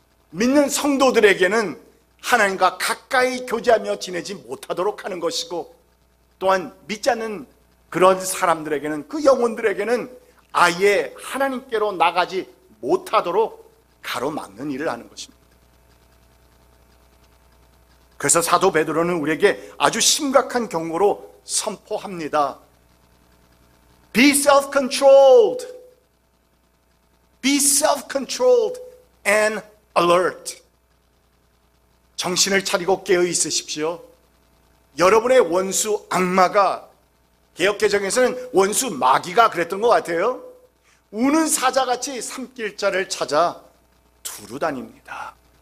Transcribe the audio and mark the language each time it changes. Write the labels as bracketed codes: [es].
[ko] 믿는 성도들에게는 하나님과 가까이 교제하며 지내지 못하도록 하는 것이고 또한 믿지 않는 그런 사람들에게는 그 영혼들에게는 아예 하나님께로 나가지 못하도록 가로막는 일을 하는 것입니다. 그래서 사도 베드로는 우리에게 아주 심각한 경고로 선포합니다. [en] Be self-controlled. Be self-controlled and alert. [ko] 정신을 차리고 깨어 있으십시오. 여러분의 원수 악마가, 개혁개정에서는 원수 마귀가 그랬던 것 같아요. 우는 사자같이 삼킬자를 찾아 두루 다닙니다.